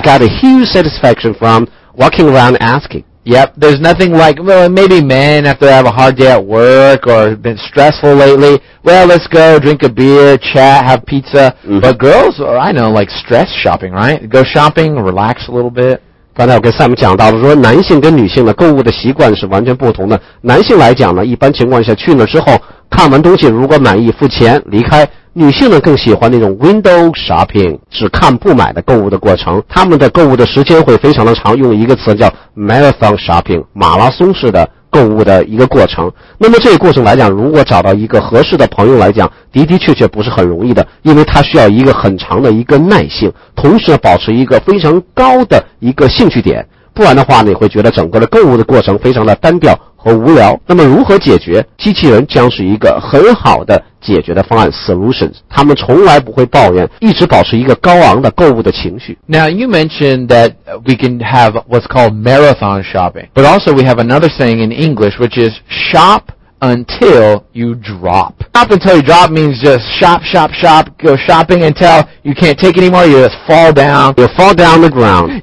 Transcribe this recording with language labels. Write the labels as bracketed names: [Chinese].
[English] They got a huge satisfaction from walking around asking. Yep, there's nothing like, well, maybe men have to have a hard day at work or been stressful lately. Well, let's go drink a beer, chat, have pizza.、 Mm-hmm. But girls, I know, like stress shopping, right? Go shopping, relax a little bit. [Chinese] 刚才我跟 Sam 讲到了说男性跟女性的购物的习惯是完全不同的。男性来讲呢，一般情况下去了之后，看完东西如果满意付钱离开。女性呢更喜欢那种 [English] window shopping， [Chinese] 只看不买的购物的过程，她们的购物的时间会非常的长，用一个词叫 [English] marathon shopping， [Chinese] 马拉松式的购物的一个过程。那么这个过程来讲，如果找到一个合适的朋友来讲，的的确确不是很容易的，因为他需要一个很长的一个耐性，同时保持一个非常高的一个兴趣点，不然的话你会觉得整个的购物的过程非常的单调和无聊。那么如何解决，机器人将是一个很好的解决的方案 solution， 他们从来不会抱怨，一直保持一个高昂的购物的情绪。 [English] Now you mentioned that we can have what's called marathon shopping, but also we have another saying in English which is shop until you drop. Shop until you drop means just shop, shop, shop, go shopping until you can't take anymore, you just fall down. You fall down the ground.